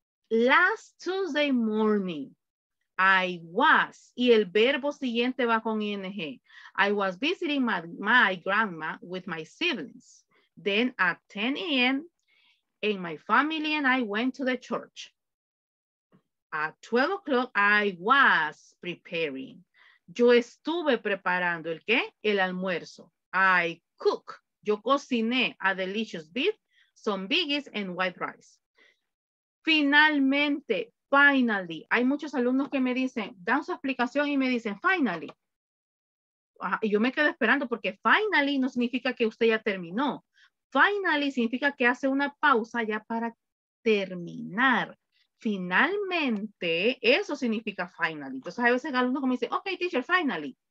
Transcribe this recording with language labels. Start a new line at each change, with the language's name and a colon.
English: Last Tuesday morning, I was,
Spanish: y el verbo siguiente va con ing.
English: I was visiting my grandma with my siblings. Then at 10 a.m., and my family and I went to the church. At 12 o'clock, I was preparing.
Spanish: Yo estuve preparando ¿el qué? El almuerzo.
English: I cook.
Spanish: Yo cociné
English: a delicious beef, some biggies, and white rice.
Spanish: Finalmente, finally. Hay muchos alumnos que me dicen, dan su explicación y me dicen, finally. Y yo me quedo esperando porque finally no significa que usted ya terminó. Finally significa que hace una pausa ya para terminar. Finalmente, eso significa finally. Entonces, a veces el alumno me dice,
English: ok, teacher, finally.